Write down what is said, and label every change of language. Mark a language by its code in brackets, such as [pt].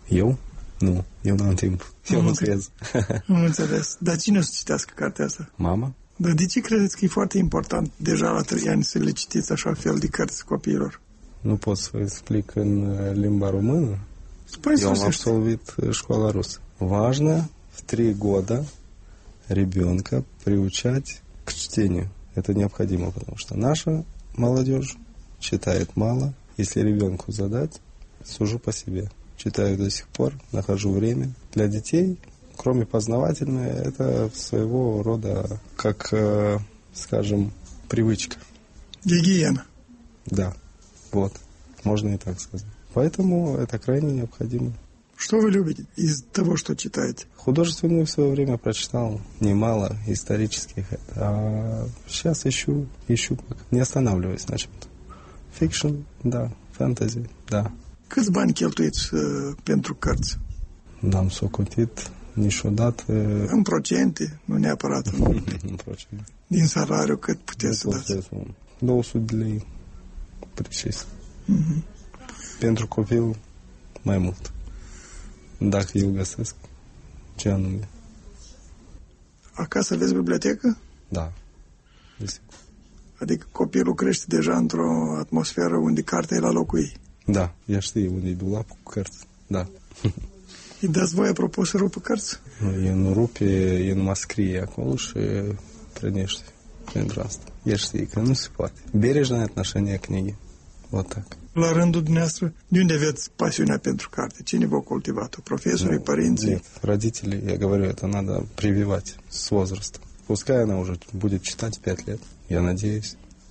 [ro] Eu? Nu, eu n-am timp. Eu nu lucrez. Nu înțeles. Dar cine o să citească cartea asta? Mama. Dar de ce credeți că e foarte important deja la 3 ani să le citiți așa fel de cărți copiilor? Nu pot să explic în limba română? Spune-ți, eu am absolvit școala rusă. [ru] Важно в 3 года ребенка приучать к чтению. Это необходимо, потому что наша молодежь читает мало. Если ребенку задать, сужу по себе. Читаю до сих пор, нахожу время. Для детей, кроме познавательного, это своего рода, как, скажем, привычка. Гигиена. Да, вот, можно и так сказать. Поэтому это крайне необходимо. Что вы любите из того, что читаете? Художественную в свое время прочитал немало, исторических. А сейчас ищу, не останавливаюсь на чем-то. Фикшн, да, фэнтези, да. [ro] Câți bani cheltuiți pentru cărți? N-am socotit niciodată. În procente, nu neapărat. În procente. Din salariu, cât puteți să dați? 200 de lei, precis. Pentru copil, mai mult. Dacă îl găsesc, ce anume? Acasă aveți bibliotecă? Da. Adică copilul crește deja într-o atmosferă unde cartea e la locul ei. Da, ea știe unde-i dulap cu cărți, da. Îi dați voi, apropo, să rupă cărți? Nu, e nu rupe, e numai scrie acolo și trănește pentru asta. Ea știe că nu se poate. [ru] Бережное отношение к книге. Вот так. [ro] La rândul dumneavoastră, de unde aveți pasiunea pentru carte? Cine v-a cultivat-o? Profesorii, părinții? [ru] Нет, родители, я говорю, это надо прививать с возрастом. Пускай она уже будет читать 5 лет, я надеюсь.